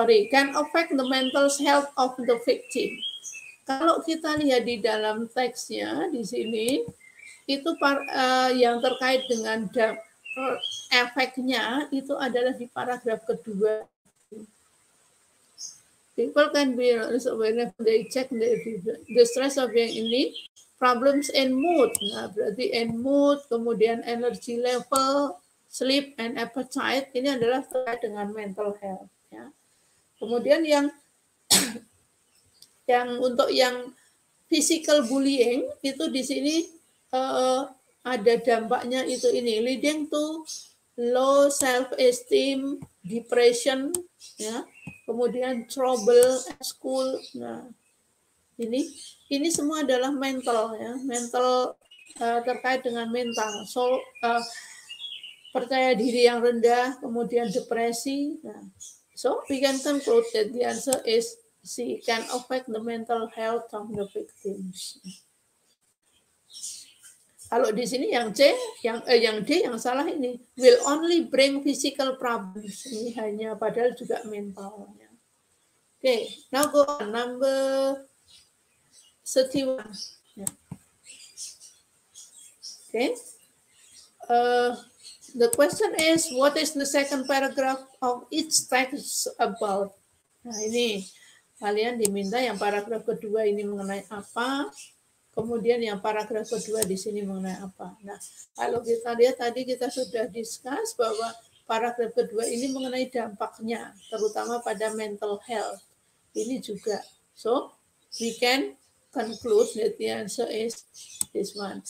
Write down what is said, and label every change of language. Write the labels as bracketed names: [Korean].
[English] Can affect the mental health of the victim. [Indonesian] Kalau kita lihat di dalam teksnya di sini, itu yang terkait dengan efeknya itu adalah di paragraf kedua. [English] People can be also whenever they check the stress of being [Indonesian] ini, [English] problems in mood. Nah, berarti in mood, kemudian energy level, sleep and appetite, [Indonesian] ini adalah terkait dengan [English] mental health. Ya. [Indonesian] Kemudian yang untuk yang physical bullying itu di sini ada dampaknya itu ini [English] leading to low self esteem, depression, [Indonesian] ya. Kemudian [English] trouble at school. [Indonesian] Nah, ini semua adalah mental ya, mental terkait dengan mental. So percaya diri yang rendah, kemudian depresi. [English] Nah, so we can conclude that the answer is C, can affect the mental health of the victims. [Indonesian] Kalau di sini yang salah ini [English] will only bring physical problems. [Indonesian] Ini hanya padahal juga mentalnya. [English] Oke, okay, now go on, number 31. Yeah. Oke. Okay. The question is, what is the second paragraph of each text about? [Indonesian] Nah, ini kalian diminta yang paragraf kedua ini mengenai apa, kemudian yang paragraf kedua di sini mengenai apa. Nah, kalau kita lihat tadi kita sudah discuss bahwa paragraf kedua ini mengenai dampaknya, terutama pada [English] mental health. [Indonesian] Ini juga. [English] So, we can conclude that the answer is this one.